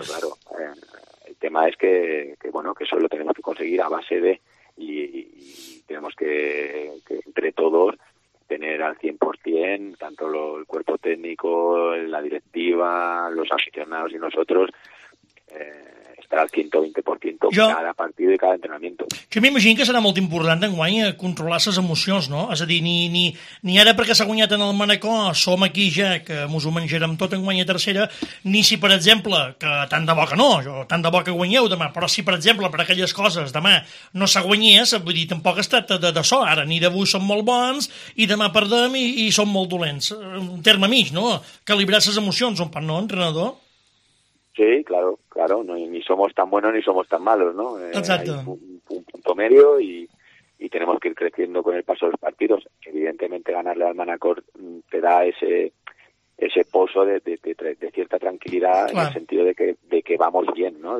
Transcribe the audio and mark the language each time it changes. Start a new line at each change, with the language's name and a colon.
Spanish: Pero claro, el tema es que eso lo tenemos que conseguir a base de... Y tenemos que entre todos tener al 100%, tanto el cuerpo técnico, la directiva, los aficionados y nosotros...
Catalan: estarà al 120% cada partit i cada entrenament. Jo m'imagino que serà molt important d'enguany controlar les emocions, no? És a dir, ni ara perquè s'ha guanyat en el Manacor, som aquí ja, que mos ho menjarem tot en guanya tercera, ni si, per exemple, que tant de bo que no, o tant de bo que guanyeu demà, però si, per exemple, per aquelles coses, demà no s'ha guanyés, vull dir, tampoc ha estat de so ara, ni d'avui som molt bons i demà perdem i som molt dolents. Un terme mig, no? Calibrar les emocions, un pan, no, entrenador?
Spanish: Sí, claro, no, ni somos tan buenos ni somos tan malos, ¿no? Exacto. Hay un punto medio y tenemos que ir creciendo con el paso de los partidos. Evidentemente, ganarle al Manacor te da ese pozo de cierta tranquilidad, claro. En el sentido de que vamos bien, ¿no?